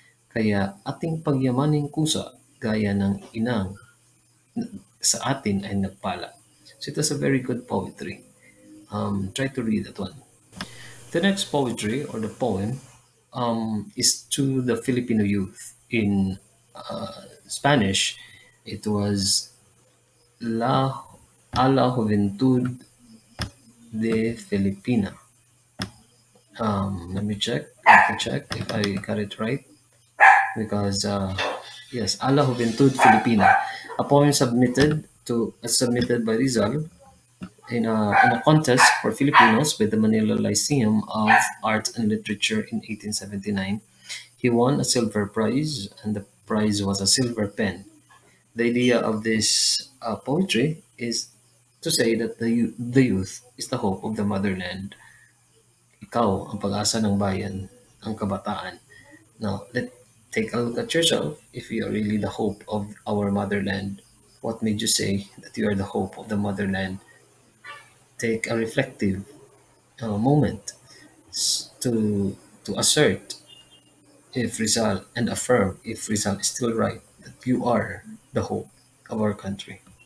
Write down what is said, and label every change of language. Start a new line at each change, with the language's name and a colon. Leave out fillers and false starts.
Filipino: Kaya ating pagyamaning kusa, gaya ng inang, sa atin ay nagpala.
English: So it was a very good poetry. Try to read that one. The next poetry or the poem is to the Filipino youth. In Spanish, it was a la Juventud de Filipina. Let me check if I got it right, because yes, "A la Juventud Filipina," a poem submitted by Rizal in a contest for Filipinos by the Manila Lyceum of Art and Literature in 1879. He won a silver prize, and the prize was a silver pen. The idea of this poetry is to say that the youth is the hope of the motherland.
Filipino: Ikaw ang pag-asa ng bayan, ang kabataan.
English: Now, let's take a look at yourself. If you are really the hope of our motherland, what made you say that you are the hope of the motherland? Take a reflective moment to assert if Rizal and affirm if Rizal is still right that you are the hope of our country.